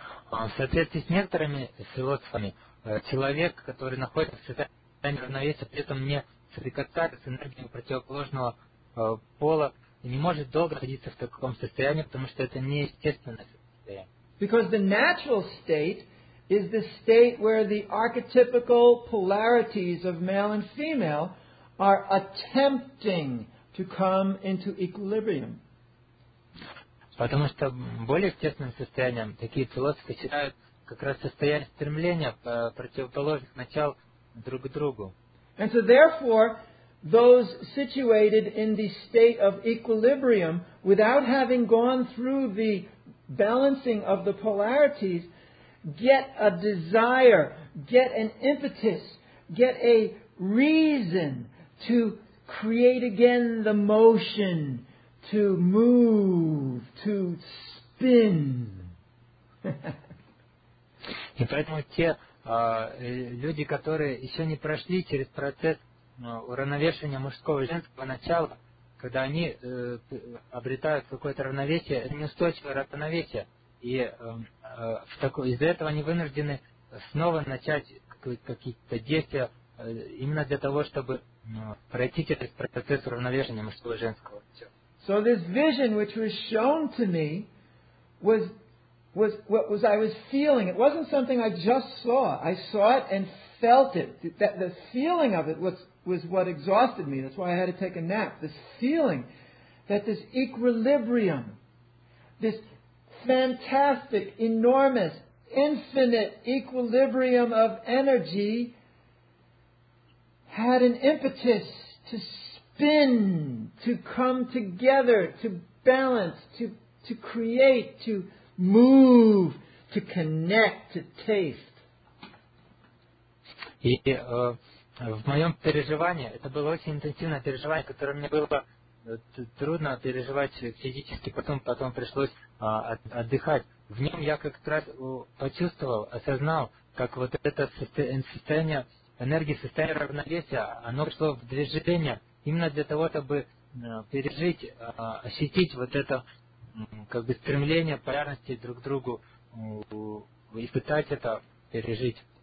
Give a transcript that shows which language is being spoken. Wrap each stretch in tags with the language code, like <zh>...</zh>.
<ru>В соответствии с некоторыми философами, человек, который находится в состоянии равновесия, при этом не соприкасается с энергией противоположного пола, не может долго находиться в таком состоянии, потому что это неестественное состояние.</ru> <en>Because the natural state is the state where the archetypical polarities of male and female are attempting to come into equilibrium.</en> <ru>Потому что более естественным состоянием такие философы считают как раз состояние стремления противоположных начал друг к другу.</ru> <en>And so therefore, those situated in the state of equilibrium, without having gone through the balancing of the polarities, get a desire, get an impetus, get a reason to create again the motion, to move, to spin.</en> <ru>И поэтому те люди, которые еще не прошли через процесс уравновешивания мужского и женского начала, когда они обретают какое-то равновесие, это неустойчивое равновесие, и из-за этого они вынуждены снова начать какие-то действия именно для того, чтобы пройти через процесс уравновешения мужского и женского.</ru> <en>So this vision, which was shown to me, was I was feeling. It wasn't something I just saw. I saw it and felt it. The feeling of it was what exhausted me. That's why I had to take a nap. This feeling that this equilibrium, this fantastic, enormous, infinite equilibrium of energy had an impetus to spin, to come together, to balance, to create, to move, to connect, to taste.</en> <ru>И в моем переживании, это было очень интенсивное переживание, которое мне было трудно переживать физически, потом пришлось отдыхать. В нем я как раз почувствовал, осознал, как вот это состояние энергии, состояние равновесия, оно пришло в движение именно для того, чтобы пережить, ощутить вот это как бы стремление полярности друг к другу, испытать это, пережить.</ru>